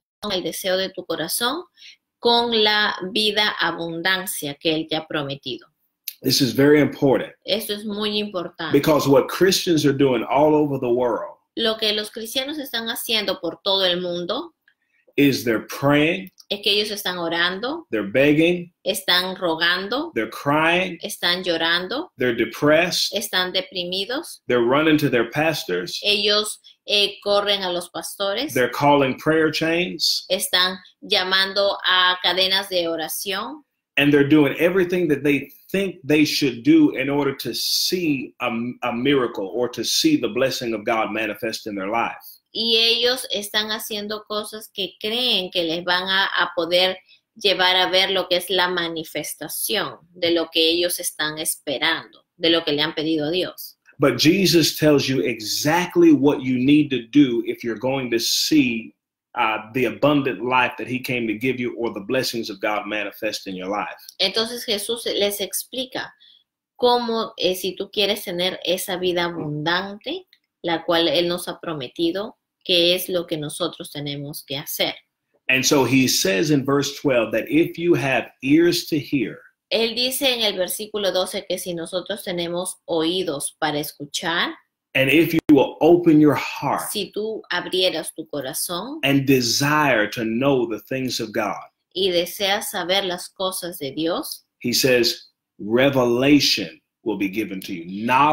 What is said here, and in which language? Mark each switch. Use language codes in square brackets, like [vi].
[es] El deseo de tu corazón con la vida abundancia que él te ha prometido. [en] This is very important [es] Esto es muy importante. [en] because what Christians are doing all over the world [es] Lo que los cristianos están haciendo por todo el mundo [en] is they're praying, [es] es que ellos están orando, [en] they're begging, [es] están rogando, [en] they're crying, [es] están llorando, [en] they're depressed, [es] están deprimidos, [en] they're running to their pastors, [es] ellos corren a los pastores, [en] they're calling prayer chains, [es] están llamando a cadenas de oración. [en] and they're doing everything that they think they should do in order to see a miracle or to see the blessing of God manifest in their life. [es] Y ellos están haciendo cosas que creen que les van a poder llevar a ver lo que es la manifestación de lo que ellos están esperando, de lo que le han pedido a Dios. [en] But Jesus tells you exactly what you need to do if you're going to see the abundant life that he came to give you or the blessings of God manifest in your life. [es] Entonces Jesús les explica cómo si tú quieres tener esa vida abundante, la cual Él nos ha prometido, qué es lo que nosotros tenemos que hacer. [en] And so he says in verse 12 that if you have ears to hear, [es] Él dice en el versículo 12 que si nosotros tenemos oídos para escuchar, [en] and if you will open your heart [es] si tú abrieras tu corazón [en] and desire to know the things of God, [es] y deseas saber las cosas de Dios, [en] he says, revelation will be given to you.